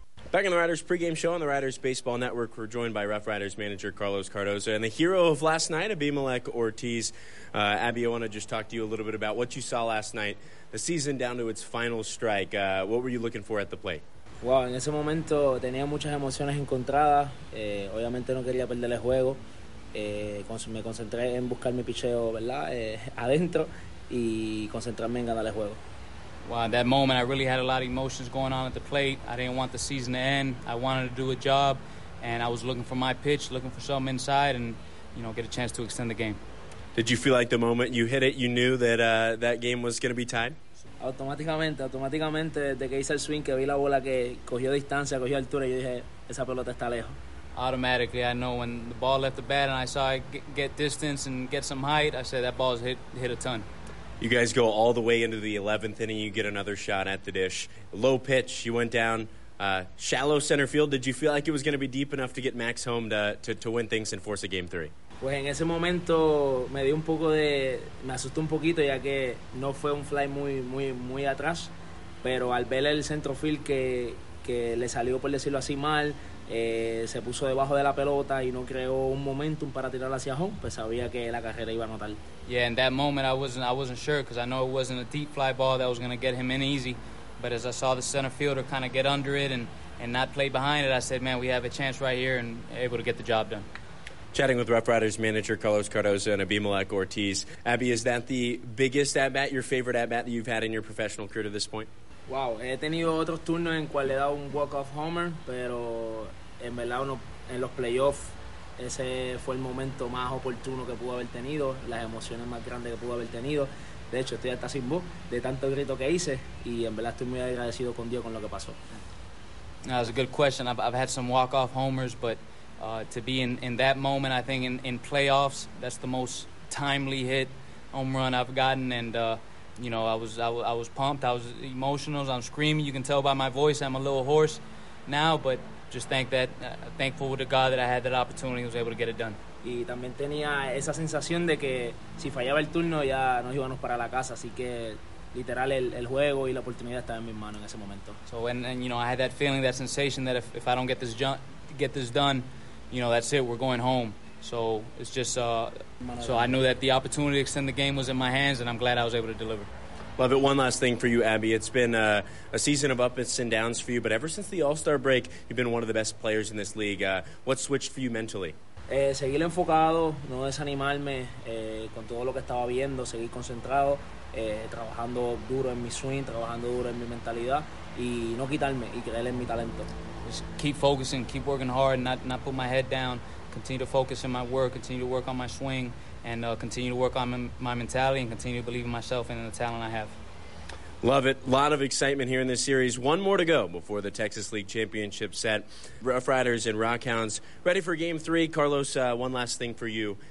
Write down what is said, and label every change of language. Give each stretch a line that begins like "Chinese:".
English: Back in the Riders pregame show on the Riders Baseball Network, we're joined by Rough Riders manager Carlos Cardoza and the hero of last night, Abimelech Ortiz. Abby, I want to just talk to you a little bit about what you saw last night, the season down to its final strike. What were you looking for at the plate?
Spanish: Wow, en ese momento tenía muchas emociones encontradas. Obviamente no quería perder el juego. Me concentré en buscar mi picheo, ¿verdad? Adentro y concentrarme en ganar el juego.
English: Wow, that moment I really had a lot of emotions going on at the plate. I didn't want the season to end. I wanted to do a job, and I was looking for my pitch, looking for something inside, and, you know, get a chance to extend the game. Did you feel like the moment you hit it, you knew that that game was going to be tied?
Spanish: Automáticamente, desde que hice el swing, que vi la bola que cogió distancia, cogió altura, yo dije, esa pelota está lejos.
English: Automatically, I know when the ball left the bat and I saw it get distance and get some height, I said that ball has hit a ton. You guys go all the way into the 11th inning. You get another shot at the dish. Low pitch. You went down shallow center field. Did you feel like it was going to be deep enough to get Max home to win things and force a game three?
Spanish: Pues en ese momento me dio un poco de... Me asustó un poquito ya que no fue un fly muy, muy, muy atrás. Pero al ver el center field que le salió, por decirlo así, mal, se puso debajo de la pelota y no creó un momentum para tirar hacia home, pues sabía que la carrera iba a anotar.
English: Yeah, in that moment I wasn't sure because I know it wasn't a deep fly ball that was going to get him in easy. But as I saw the center fielder kind of get under it and not play behind it, I said, man, we have a chance right here and able to get the job done. Chatting with Rough Riders manager Carlos Cardoza and Abimelech Ortiz. Abby, is that the biggest at-bat, your favorite at-bat that you've had in your professional career to this point?
Spanish: Wow, he tenido otros turnos en cual le he dado un walk-off homer, pero en verdad uno, en los playoffs ese fue el momento más oportuno que pudo haber tenido, las emociones más grandes que pudo haber tenido. De hecho, estoy hasta sin voz de tanto grito que hice y en verdad estoy muy agradecido con Dios con lo que pasó.
English: That's a good question. I've had some walk-off homers, but to be in that moment, I think in playoffs, that's the most timely hit home run I've gotten. And you know, I was pumped. I was emotional. I'm screaming. You can tell by my voice I'm a little hoarse now, but just thankful to God that I had that opportunity and was able to get it done.
Spanish: Y también tenía esa sensación de que si fallaba el turno ya nos íbamos para la casa, así que literal el juego y la oportunidad estaba en mis manos en ese momento.
English: So and you know, I had that feeling, that sensation that if I don't get this done, you know, that's it, we're going home. So it's just so I knew that the opportunity to extend the game was in my hands, and I'm glad I was able to deliver. Love it. One last thing for you, Abby. It's been a season of ups and downs for you, but ever since the All-Star break, you've been one of the best players in this league. What switched for you mentally?
Spanish: Seguir enfocado, no desanimarme con todo lo que estaba viendo, seguir concentrado, trabajando duro en mi swing, trabajando duro en mi mentalidad, y no quitarme y creer en mi talento.
English: Just keep focusing, keep working hard, not put my head down. Continue to focus in my work, continue to work on my swing, and continue to work on my mentality and continue to believe in myself and in the talent I have. Love it. A lot of excitement here in this series. One more to go before the Texas League Championship set. Rough Riders and Rockhounds ready for game three. Carlos, one last thing for you.